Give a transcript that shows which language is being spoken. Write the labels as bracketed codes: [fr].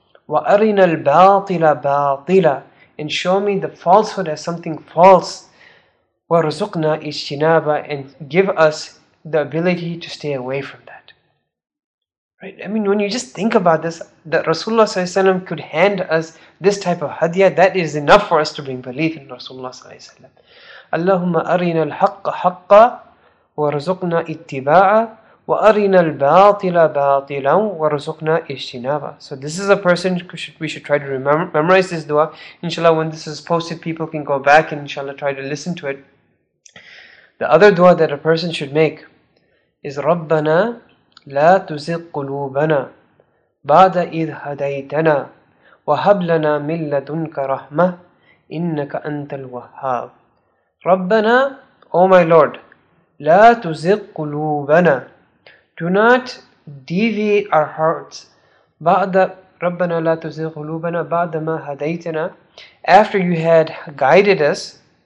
[ar] وَأَرِنَا الْبَاطِلَ بَاطِلًا [en] and show me the falsehood as something false. [ar] وَرُزُقْنَا اِجْتِنَابًا [en] and give us the ability to stay away from that. Right? I mean, when you just think about this, that Rasulullah Sallallahu Alaihi Wasallam could hand us this type of hadiyah, that is enough for us to bring belief in Rasulullah Sallallahu Alaihi Wasallam. [ar] اللهم أرنا الحق حقا وارزقنا اتباعه وأرنا الباطل باطلا وارزقنا اجتنابه. [en] So this is a person we should try to memorize this dua. Inshallah, when this is posted, people can go back and inshallah try to listen to it. The other dua that a person should make is [ar] ربنا لا تزغ قلوبنا بعد إذ هديتنا وهب لنا من لدنك رحمة إنك أنت الوهاب. [en] رَبَّنَا, O my Lord, [ar] لَا تُزِقْ قُلُوبَنَا, [en] do not deviate our hearts. [ar] بَعْدَ رَبَّنَا لَا تُزِقْ قُلُوبَنَا بَعْدَ مَا هَدَيْتَنَا, [en] after you had guided us.